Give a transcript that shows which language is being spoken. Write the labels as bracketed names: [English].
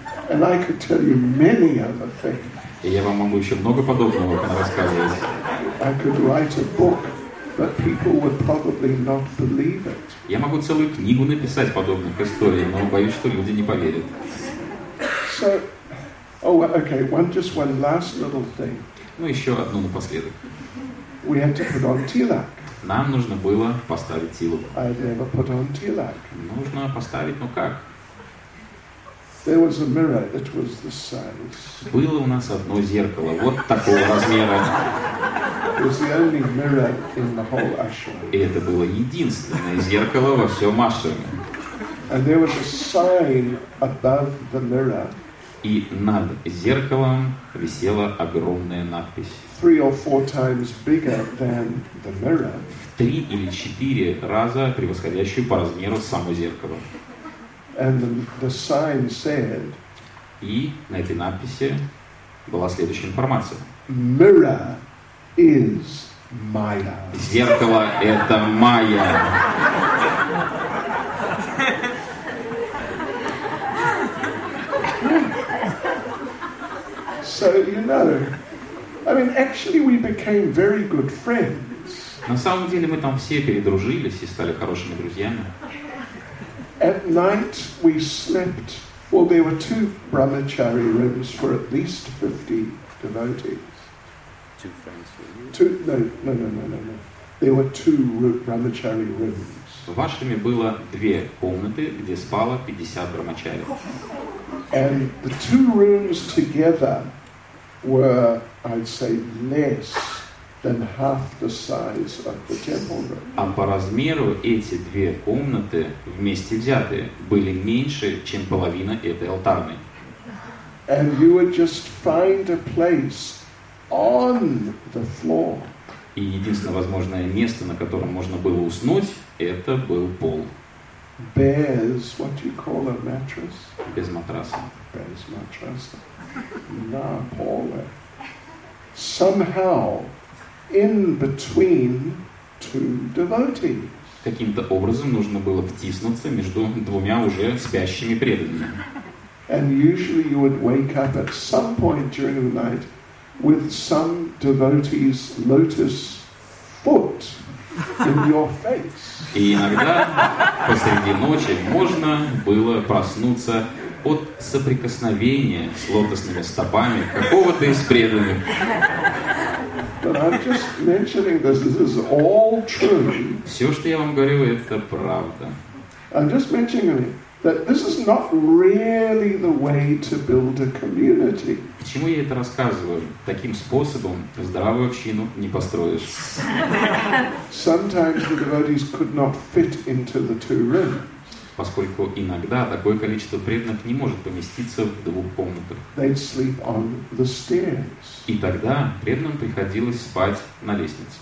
[English] And I could tell you many other things. [Russian] И я вам могу еще много подобного рассказывать. [English] I could write a book, but people would probably not believe it. [Russian] Я могу целую книгу написать подобных историй, но боюсь, что люди не поверят. [English] So, oh, okay, one just one last little thing. [Russian] Ну еще одну напоследок. [English] We had to put on tilak. [Russian] Нам нужно было поставить тилак. [English] I never put on tilak. [Russian] Нужно поставить, но как? [English] There was a mirror that was the size. [Russian] Было у нас одно зеркало, вот такого размера. [English] It was the only mirror in the whole ashram. [Russian] И это было единственное зеркало во всем ашраме. [English] And there was a sign above the mirror. [Russian] И над зеркалом висела огромная надпись. [English] Three or four times bigger than the mirror. [Russian] В 3 или 4 раза превосходящую по размеру само зеркало. [English] And the sign said. [Russian] И на этой надписи была следующая информация. [English] Mirror is Maya. [Russian] Зеркало это Майя. [English] So you know, I mean, actually, we became very good friends. [Russian] На самом деле мы там все передружились и стали хорошими друзьями. [English] At night we slept. Well, there were 2 brahmachari rooms for at least 50 devotees. Two friends rooms. No. There were 2 brahmachari rooms. [Russian] В ашраме было 2 комнаты, где спало 50 брахмачари. [English] And the 2 rooms together were, I'd say, less than half the size of the temple room. [Russian] А по размеру эти две комнаты вместе взятые были меньше, чем половина этой алтарной. [English] And you would just find a place on the floor. [Russian] И единственное возможное место, на котором можно было уснуть, это был пол. [English] Bears, what you call a mattress? [Russian] Без матраса. Без матраса. На поле. [English] Somehow, in between two devotees. [Russian] Каким-то образом нужно было втиснуться между двумя уже спящими преданными. [English] And usually you would wake up at some point during the night with some devotee's lotus foot in your face. [Russian] И иногда посреди ночи можно было проснуться от соприкосновения с лотосными стопами какого-то из преданных. [English] But I'm just mentioning this. This is all true. [Russian] Все, что я вам говорю, это правда. [English] I'm just mentioning it. That this is not really the way to build a community. [Russian] Почему я это рассказываю? Таким способом здоровую общину не построишь. [English] Sometimes the devotees could not fit into the two rooms. [Russian] Поскольку иногда такое количество преданных не может поместиться в двух комнатах. [English] They'd sleep on the stairs. [Russian] И тогда преданным приходилось спать на лестнице.